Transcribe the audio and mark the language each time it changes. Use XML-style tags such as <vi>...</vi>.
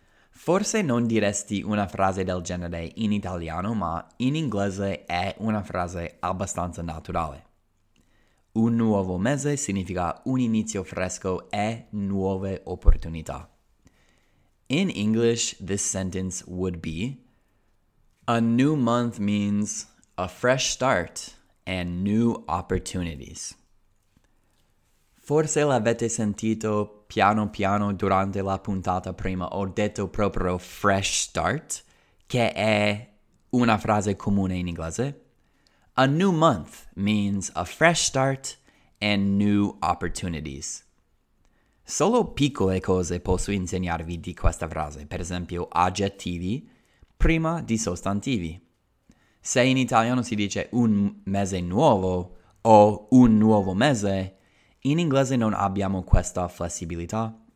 <it>Forse non diresti una frase del genere in italiano, ma in inglese è una frase abbastanza naturale. Un nuovo mese significa un inizio fresco e nuove opportunità.</it> <en>In English, this sentence would be, a new month means a fresh start and new opportunities.</en> <it>Forse l'avete sentito piano piano durante la puntata prima, ho detto proprio fresh start, che è una frase comune in inglese.</it> <en>A new month means a fresh start and new opportunities.</en> <it>Solo piccole cose posso insegnarvi di questa frase, per esempio aggettivi prima di sostantivi. Se in italiano si dice un mese nuovo o un nuovo mese, in inglese non abbiamo questa flessibilità.</it>